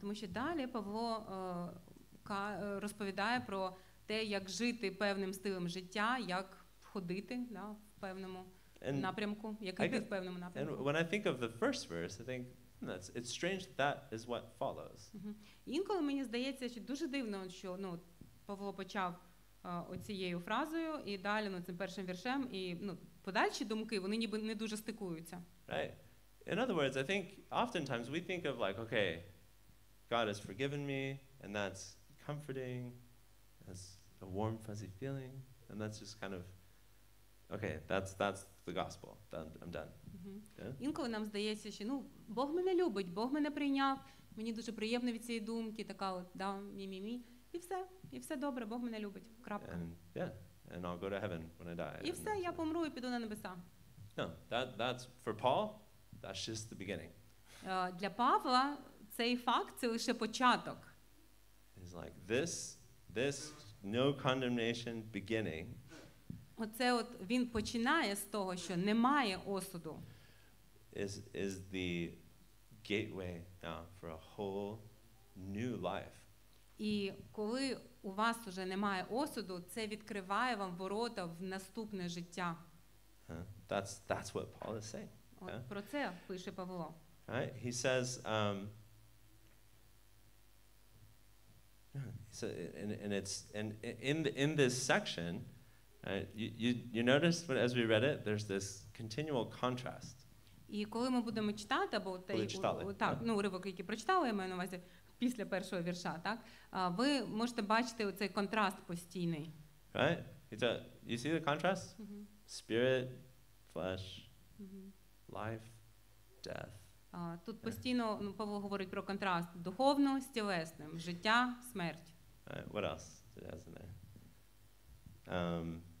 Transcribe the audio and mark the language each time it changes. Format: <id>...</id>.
<uk>Тому що далі Павло розповідає про те, як жити певним стилем життя, як ходити, да, в певному напрямку, як іти в певному напрямку.</uk> <en>And when I think of the first verse, I think it's strange that is what follows.</en> <uk>Інколи мені здається, що дуже дивно, що, ну, Павло почав оцією фразою і далі, ну, цим першим віршем, і, ну, подальші думки, вони ніби не дуже стикуються.</uk> <en>Right. In other words, I think oftentimes we think of like, okay, God has forgiven me, and that's comforting, that's a warm, fuzzy feeling, and that's just kind of, okay, that's the gospel, I'm done.</en> <uk>Інколи нам здається, що, ну, Бог мене любить, Бог мене прийняв, мені дуже приємно від цієї думки, така от, да, мі-мі-мі, і все добре, Бог мене любить, крапка.</uk> <en>And I'll go to heaven when I die.</en> <uk>І все, я помру і піду на небеса.</uk> <en>No, that's for Paul. That's just the beginning.</en> <uk>Для Павла цей факт це лише початок.</uk> <en>It's like this no condemnation beginning.</en> <uk>Оце от він починає з того, що немає осуду.</uk> <en>Is the gateway now for a whole new life.</en> <uk>І коли у вас уже немає осуду, це відкриває вам ворота в наступне життя.</uk> <en>That's what Paul is saying.</en> <uk>Yeah. Про це пише Павло.</uk> <en>Right? He says, in this section, you notice what, as we read it, there's this continual contrast.</en> <uk>І коли ми будемо читати, або той, так, ну, уривок, який прочитали, я маю на увазі після першого вірша, так? Ви можете бачити цей контраст постійний.</uk> <en>Right? You see the contrast? Mm-hmm. Spirit, flesh, life, death.</en> <uk>Тут постійно, ну, Павло говорить про контраст духовно з тілесним, життя, смерть.</uk> <en>Right, what else did it have in there?</en>